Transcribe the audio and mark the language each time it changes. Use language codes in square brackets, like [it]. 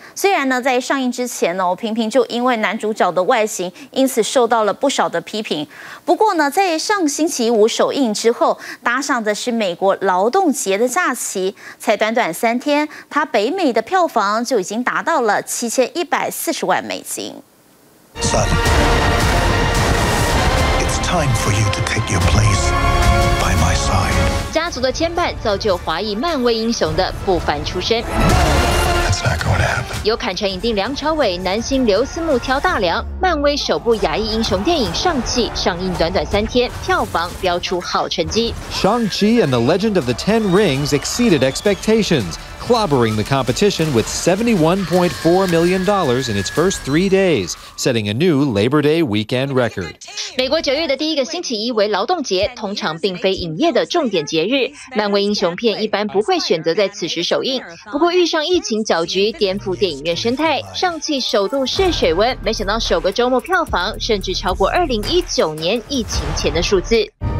[zh] 虽然呢，在上映之前呢，频频就因为男主角的外形，因此受到了不少的批评。不过呢，在上星期五首映之后，搭上的是美国劳动节的假期，才短短3天，它北美的票房就已经达到了7140万美金。 [en] Son, it's time for you to take your place by my side。 [zh] 家族的牵绊造就华裔漫威英雄的不凡出身。由砍成影帝梁朝伟、男星刘思慕挑大梁，漫威首部亚裔英雄电影《上汽》上映短短3天，票房飙出好成绩。 [en] Shang-Chi and the Legend of the Ten Rings exceeded expectations, clobbering the competition with $71.4 million in its first 3 days, setting a new Labor Day weekend record. [zh] 美国9月的第一个星期一为劳动节，通常并非影业的重点节日。漫威英雄片一般不会选择在此时首映，不过遇上疫情搅局，颠覆电影院生态，上汽首度试水温，没想到首个周末票房甚至超过2019年疫情前的数字。